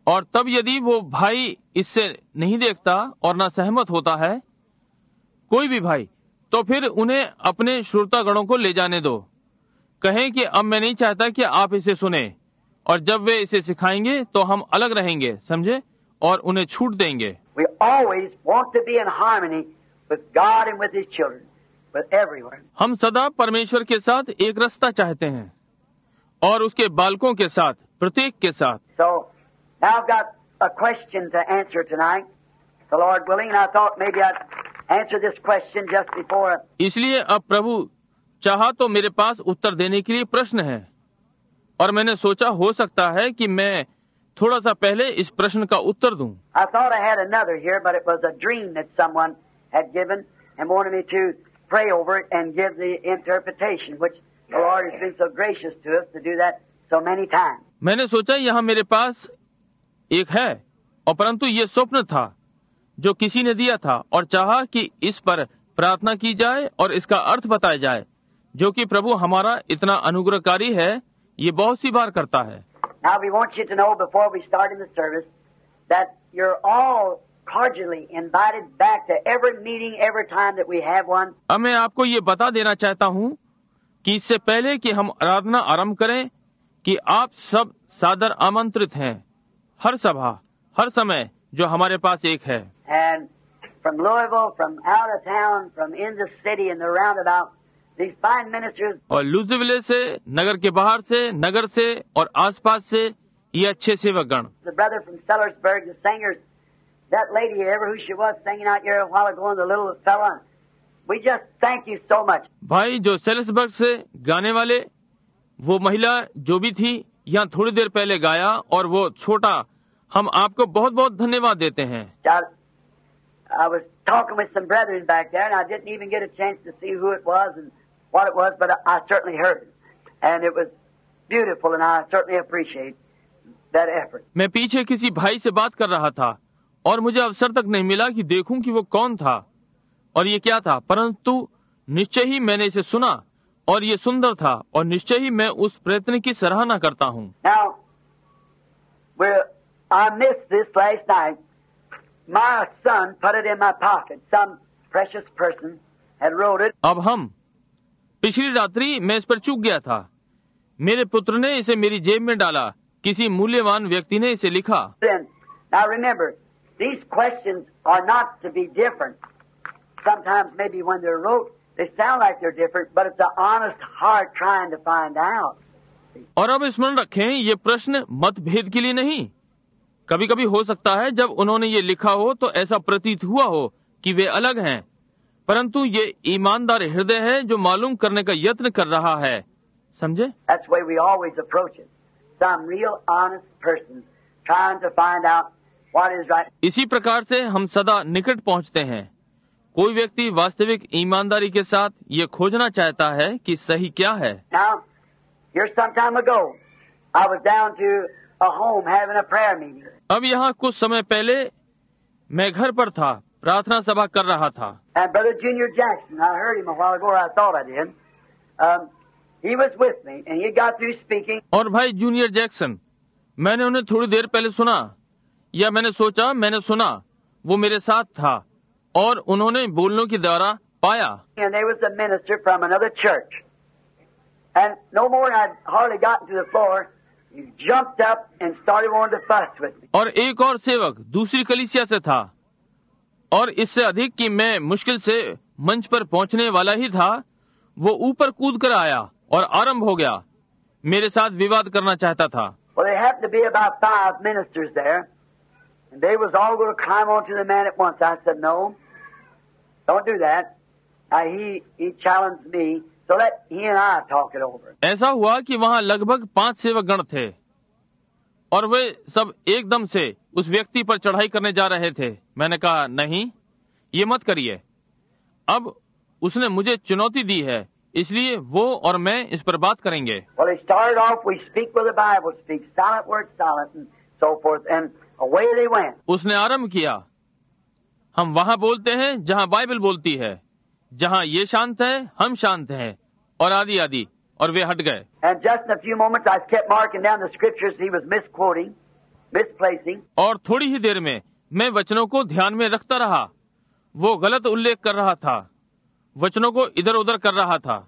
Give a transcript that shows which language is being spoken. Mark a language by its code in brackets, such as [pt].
[hi] और तब यदि वो भाई इससे नहीं देखता और ना सहमत होता है, कोई भी भाई, तो फिर उन्हें अपने श्रोता गणों को ले जाने दो. कहें कि अब मैं नहीं चाहता कि आप इसे सुने, और जब वे इसे सिखाएंगे तो हम अलग रहेंगे, समझे, और उन्हें छूट देंगे. [en] We always want to be in harmony with God and with His children, with everyone. [hi] हम सदा परमेश्वर के साथ एक रस्ता चाहते हैं और उसके बालकों के साथ, प्रत्येक के साथ. [en] So, now I've got a question to answer tonight, the Lord willing, and I thought maybe I'd answer this question just before. [hi] इसलिए अब प्रभु चाहा तो मेरे पास उत्तर देने के लिए प्रश्न है और मैंने सोचा हो सकता है कि मैं थोड़ा सा पहले इस प्रश्न का उत्तर दूं. [en] I thought I had another here, but it was a dream that someone had given and wanted me to pray over it and give the interpretation, which the Lord has been so gracious to us to do that so many times. [hi] मैंने सोचा यहाँ मेरे पास एक है और परंतु ये स्वप्न था जो किसी ने दिया था और चाहा कि इस पर प्रार्थना की जाए और इसका अर्थ बताया जाए जो कि प्रभु हमारा इतना अनुग्रहकारी है ये बहुत सी बार करता है. [en] Now we want you to know before we start in the service that you're all cordially invited back to every meeting, every time that we have one. [hi] अब मैं आपको ये बता देना चाहता हूँ कि इससे पहले कि हम आराधना आरंभ करें कि आप सब सादर आमंत्रित हैं हर सभा हर समय जो हमारे पास एक है. [en] And from Louisville, from out of town, from in the city and the roundabout, these fine ministers. [hi] और लुजविले से नगर के बाहर से नगर से और आसपास से ये अच्छे सेवकगण. [en] The brother from Sellersburg, the singers, that lady, ever who she was singing out here a while ago, and the little fella, we just thank you so much. [hi] भाई जो सेलर्सबर्ग से गाने वाले वो महिला जो भी थी यहाँ थोड़ी देर पहले गाया और वो छोटा हम आपको बहुत बहुत धन्यवाद देते हैं. [en] I was talking with some brethren back there and I didn't even get a chance to see who it was and what it was, but I certainly heard it. And it was beautiful and I certainly appreciate that effort. [hi] मैं पीछे किसी भाई से बात कर रहा था और मुझे अवसर तक नहीं मिला कि देखूं कि वो कौन था और ये क्या था, परंतु निश्चय ही मैंने इसे सुना और ये सुंदर था और निश्चय ही मैं उस प्रयत्न की सराहना करता हूँ. [en] Now, I missed this last night. My son put it in my pocket. Some precious person had wrote it. [hi] अब हम पिछली रात्रि मैं इस पर चूक गया था. मेरे पुत्र ने इसे मेरी जेब में डाला. किसी मूल्यवान व्यक्ति ने इसे लिखा. [en] Then, now remember, these questions are not to be different. Sometimes, maybe when they're wrote, they sound like they're different, but it's an honest heart trying to find out. [hi] और अब स्मरण रखें, ये प्रश्न मतभेद के लिए नहीं. कभी कभी हो सकता है जब उन्होंने ये लिखा हो तो ऐसा प्रतीत हुआ हो कि वे अलग हैं, परंतु ये ईमानदार हृदय है जो मालूम करने का यत्न कर रहा है, समझे? [en] That's why we always approach it. Some real honest person trying to find out what is right. [hi] इसी प्रकार से हम सदा निकट पहुंचते हैं. कोई व्यक्ति वास्तविक ईमानदारी के साथ ये खोजना चाहता है कि सही क्या है. [en] Now, here's some time ago, I was down to a home having a prayer meeting. [hi] अब यहाँ कुछ समय पहले मैं घर पर था, प्रार्थना सभा कर रहा था. [en] And Brother Junior Jackson, I heard him a while ago, or I thought I did. He was with me, and he got through speaking. [hi] और भाई जूनियर जैक्सन, मैंने उन्हें थोड़ी देर पहले सुना, या मैंने सोचा, मैंने सुना, वो मेरे साथ था, और उन्होंने बोलने के द्वारा पाया. [en] And there was a minister from another church, and no more than I'd hardly gotten to the floor. He jumped up and started wanting to fuss with me. [hi] और एक और सेवक दूसरी कलीसिया से था और इससे अधिक कि मैं मुश्किल से मंच पर पहुंचने वाला ही था, वो ऊपर कूद कर आया और आरंभ हो गया मेरे साथ विवाद करना चाहता था. [en] Well, there happened to be about five ministers there, and they was all going to climb onto the man at once. I said, no, don't do that. He challenged me. So let he and I talk it over. [hi] ऐसा हुआ कि वहाँ लगभग पांच सेवक गण थे और वे सब एकदम से उस व्यक्ति पर चढ़ाई करने जा रहे थे. मैंने कहा, नहीं, ये मत करिए. अब उसने मुझे चुनौती दी है, इसलिए वो और मैं इस पर बात करेंगे. [en] Well, they started off, we speak with the Bible, speak silent words, silent, and so forth, and away they went. [hi] उसने आरंभ किया, हम वहाँ बोलते हैं जहाँ बाइबल बोलती है, जहाँ ये शांत है हम शांत हैं, और आदि आदि, और वे हट गए. [en] And just in a few moments, I kept marking down the scriptures he was misquoting, misplacing. [hi] और थोड़ी ही देर में मैं वचनों को ध्यान में रखता रहा, वो गलत उल्लेख कर रहा था, वचनों को इधर उधर कर रहा था.